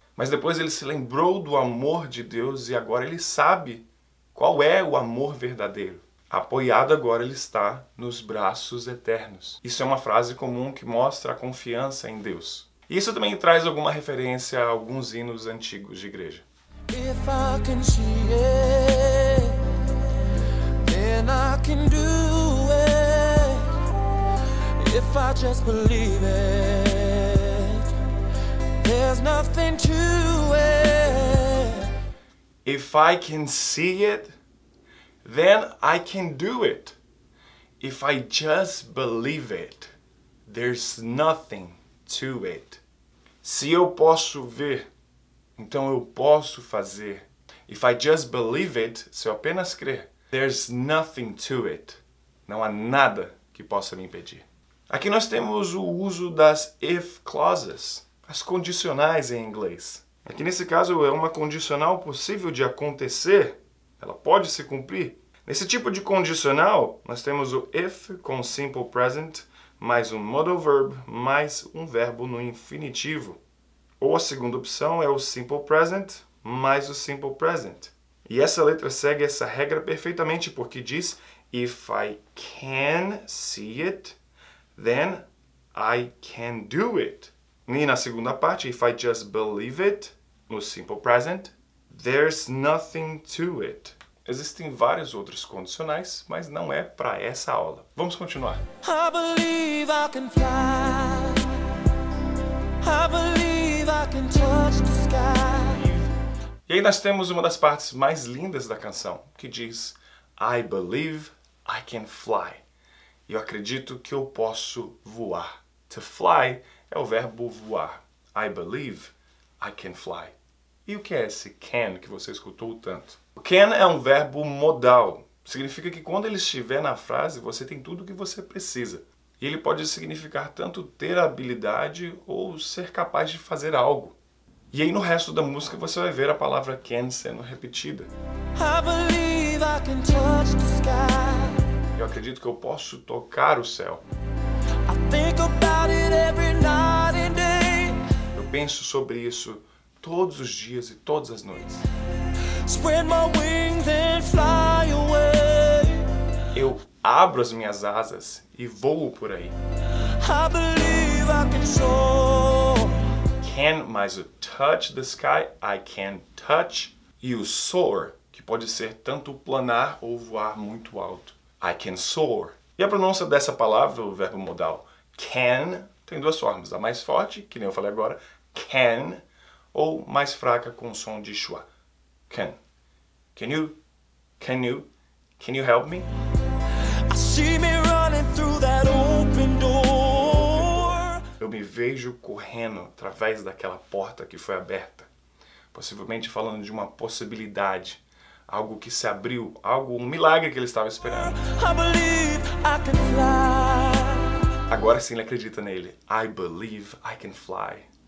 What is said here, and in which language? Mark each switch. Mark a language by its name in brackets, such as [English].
[Portuguese] Mas depois ele se lembrou do amor de Deus e agora ele sabe qual é o amor verdadeiro. Apoiado agora ele está nos braços eternos. Isso é uma frase comum que mostra a confiança em Deus. Isso também traz alguma referência a alguns hinos antigos de igreja. [English] If I can see it, then I can do it. If I just believe it, there's nothing to it. If I can see it, then I can do it. If I just believe it, there's nothing to it. [Portuguese] Se eu posso ver, então eu posso fazer. [English] If I just believe it, [Portuguese] se eu apenas crer, [English] there's nothing to it. [Portuguese] Não há nada que possa me impedir. Aqui nós temos o uso das if clauses, as condicionais em inglês. Aqui nesse caso é uma condicional possível de acontecer. Ela pode se cumprir? Nesse tipo de condicional, nós temos o if com simple present, mais um modal verb, mais um verbo no infinitivo. Ou a segunda opção é o simple present, mais o simple present. E essa letra segue essa regra perfeitamente, porque diz [English] if I can see it, then I can do it. [Portuguese] E na segunda parte, [English] if I just believe it, [Portuguese] no simple present, [English] there's nothing to it. [Portuguese] Existem vários outros condicionais, mas não é para essa aula. Vamos continuar. [English] I believe I can fly. I believe I can touch the sky. [Portuguese] E aí nós temos uma das partes mais lindas da canção, que diz [English] I believe I can fly. [Portuguese] Eu acredito que eu posso voar. To fly é o verbo voar. [English] I believe I can fly. [Portuguese] E o que é esse can que você escutou tanto? O can é um verbo modal. Significa que quando ele estiver na frase, você tem tudo o que você precisa. E ele pode significar tanto ter habilidade ou ser capaz de fazer algo. E aí no resto da música você vai ver a palavra can sendo repetida. [English] I believe I can touch the sky. [Portuguese] Eu acredito que eu posso tocar o céu. [English] I think about it every night and day. [Portuguese] Eu penso sobre isso todos os dias e todas as noites. [English] Spread my wings and fly away. [Portuguese] Eu abro as minhas asas e voo por aí. [English] I believe I can soar. Can [Portuguese] mais o [English] touch the sky, I can touch. [Portuguese] E o soar, que pode ser tanto planar ou voar muito alto. [English] I can soar. [Portuguese] E a pronúncia dessa palavra, o verbo modal can, tem duas formas. A mais forte, que nem eu falei agora, can, ou mais fraca com o som de schwa. Can. [English] Can you help me? I see me running through that open door. [Portuguese] Eu me vejo correndo através daquela porta que foi aberta. Possivelmente falando de uma possibilidade. Algo que se abriu, algo, um milagre que ele estava esperando. [English] I believe I can fly. [Portuguese] Agora sim ele acredita nele. [English] I believe I can fly.